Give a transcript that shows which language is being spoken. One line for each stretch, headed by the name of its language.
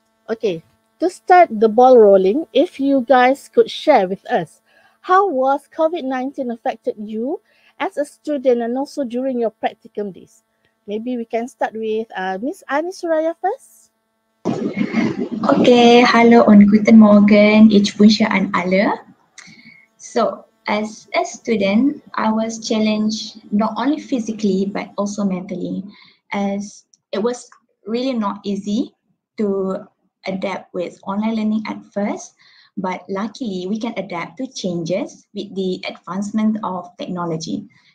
English: Okay, to start the ball rolling, if you guys could share with us, how was COVID-19 affected you as a student and also during your practicum days? Maybe we can start with Miss Ani Suraya first.
German: Okay, hello und guten Morgen, ich wünsche an alle.
English: So, as a student, I was challenged not only physically but also mentally, as it was really not easy to adapt with online learning at first, but luckily we can adapt to changes with the advancement of technology.